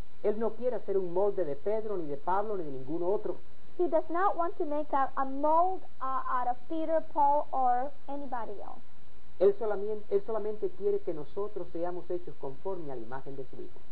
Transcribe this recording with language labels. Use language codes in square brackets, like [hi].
[es] Él no quiere hacer un molde de Pedro, ni de Pablo, ni de ninguno otro. [en] He does not want to make a mold out of Peter, Paul, or anybody else. [es] Él solamente quiere que nosotros seamos hechos conforme a la imagen de su Hijo.